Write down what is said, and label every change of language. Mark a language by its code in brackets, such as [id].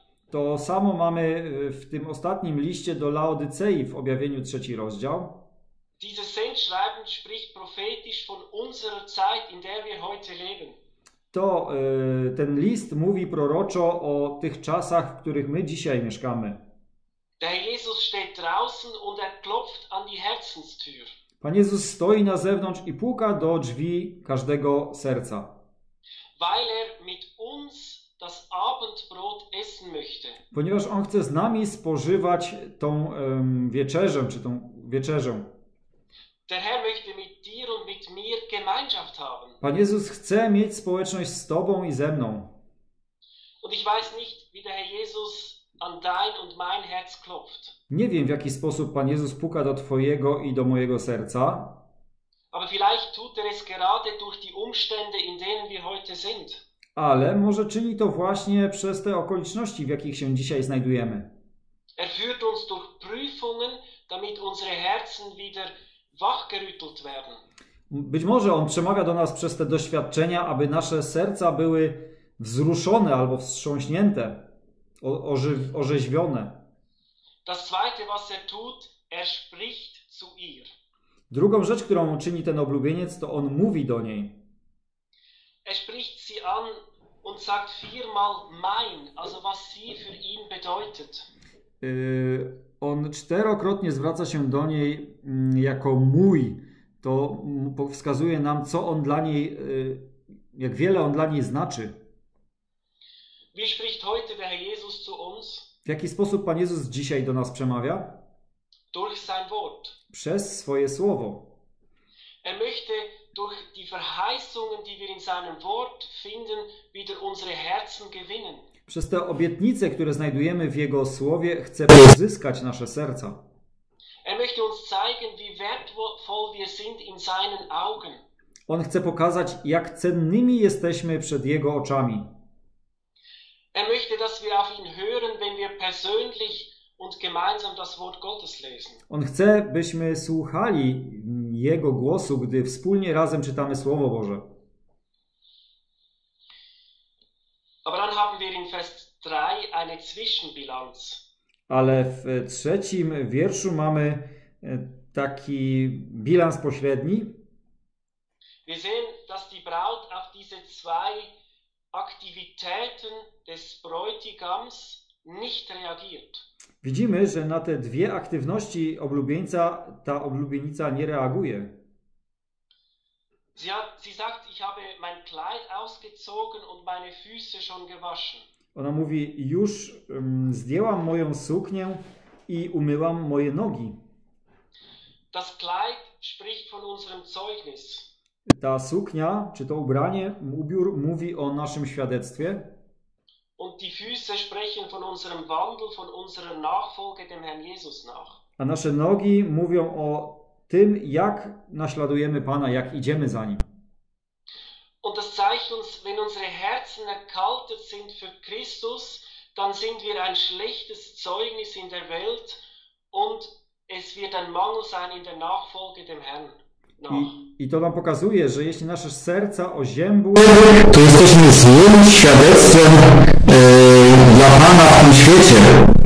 [pl] To samo mamy w tym ostatnim liście do Laodycei w objawieniu 3 rozdział. [de] Dieses Sendschreiben spricht prophetisch von unserer Zeit, in der wir heute leben. [pl] To ten list mówi proroczo o tych czasach, w których my dzisiaj mieszkamy. [de] Der Jesus steht draußen und er klopft an die Herzenstür. [pl] Pan Jezus stoi na zewnątrz i puka do drzwi każdego serca. [de] weil er mit uns das Abendbrot essen möchte. [pl] Ponieważ on chce z nami spożywać tą wieczerzę, czy tą wieczerzę. [de] Der Herr möchte mit dir und mit mir Gemeinschaft haben. [pl] Pan Jezus chce mieć społeczność z Tobą i ze mną. [de] Und ich weiß nicht, wie der Herr Jesus an dein und mein Herz klopft. [pl] Nie wiem, w jaki sposób Pan Jezus puka do Twojego i do mojego serca. [de] Aber vielleicht tut er es gerade durch die Umstände, in denen wir heute sind. [pl] Ale może czyni to właśnie przez te okoliczności, w jakich się dzisiaj znajdujemy. [de] Er führt uns durch Prüfungen, damit unsere Herzen wieder wachgerüttelt werden. [pl] Być może on przemawia do nas przez te doświadczenia, aby nasze serca były wzruszone albo wstrząśnięte, orzeźwione. [de] Das zweite, was er tut, er spricht zu ihr. [pl] Drugą rzecz, którą czyni ten oblubieniec, to on mówi do niej. [de] Er spricht sie an und sagt viermal mein, also was sie für ihn bedeutet. [pl] On czterokrotnie zwraca się do niej jako mój. To wskazuje nam, co on dla niej, jak wiele on dla niej znaczy. [de] Wie spricht heute der Herr Jesus zu uns? [pl] W jaki sposób Pan Jezus dzisiaj do nas przemawia? [de] Durch sein Wort. [pl] Przez swoje słowo. [de] Er möchte durch die Verheißungen, die wir in seinem Wort finden, wieder unsere Herzen gewinnen. [pl] Przez te obietnice, które znajdujemy w Jego Słowie, chce pozyskać nasze serca. [de] Er möchte uns zeigen, wie wertvoll wir sind in seinen Augen. [pl] On chce pokazać, jak cennymi jesteśmy przed Jego oczami. [de] Er möchte, dass wir auf ihn hören, wenn wir persönlich und gemeinsam das Wort Gottes lesen. [pl] On chce, byśmy słuchali Jego głosu, gdy wspólnie razem czytamy Słowo Boże. [de] Aber dann haben wir in Vers 3 eine Zwischenbilanz. [pl] Ale w trzecim wierszu mamy taki bilans pośredni. [de] Wir sehen, dass die Braut auf diese zwei Aktivitäten des Bräutigams nicht reagiert. [pl] Widzimy, że na te dwie aktywności oblubieńca ta oblubienica nie reaguje. [de] Sie sagt, ich habe mein Kleid ausgezogen und meine Füße schon gewaschen. [pl] Ona mówi, już zdjęłam moją suknię i umyłam moje nogi. [de] Das Kleid spricht von unserem Zeugnis. [pl] Ta suknia, czy to ubranie, ubiór, mówi o naszym świadectwie. [de] Und die Füße sprechen von unserem Wandel, von unserer Nachfolge dem Herrn Jesus nach. [pl] A nasze nogi mówią o tym, jak naśladujemy Pana, jak idziemy za Nim. [de] Und das zeigt uns, wenn unsere Herzen erkaltet sind für Christus, dann sind wir ein schlechtes Zeugnis in der Welt und es wird ein Mangel sein in der Nachfolge dem Herrn. [pl] I to nam pokazuje, że jeśli nasze serca oziębły, to jesteśmy złym świadectwem dla Pana w tym świecie.